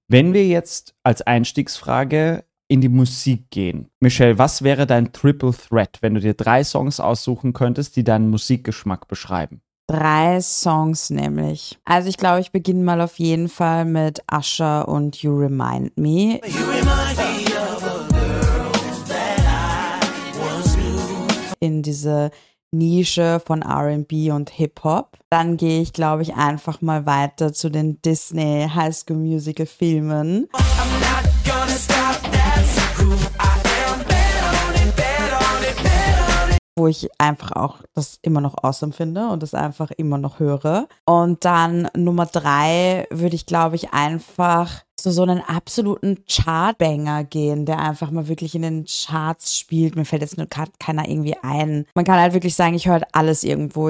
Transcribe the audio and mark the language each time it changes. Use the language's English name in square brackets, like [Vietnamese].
[German] Wenn wir jetzt als Einstiegsfrage in die Musik gehen. Michelle, was wäre dein Triple Threat, wenn du dir drei Songs aussuchen könntest, die deinen Musikgeschmack beschreiben? Drei Songs nämlich. Also ich glaube, ich beginne mal auf jeden Fall mit Usher und You Remind Me. [English] You remind me of a girl that I once knew. [German] In diese Nische von R&B und Hip-Hop. Dann gehe ich, glaube ich, einfach mal weiter zu den Disney High School Musical Filmen. [English] I'm not gonna stop, that's who I am. Bet on it, bet on it, bet on it. [German] Wo ich einfach auch das immer noch awesome finde und das einfach immer noch höre. Und dann Nummer drei würde ich, glaube ich, einfach zu so einem absoluten Chartbanger gehen, der einfach mal wirklich in den Charts spielt. Mir fällt jetzt nur gerade keiner irgendwie ein. Man kann halt wirklich sagen, ich höre halt alles irgendwo.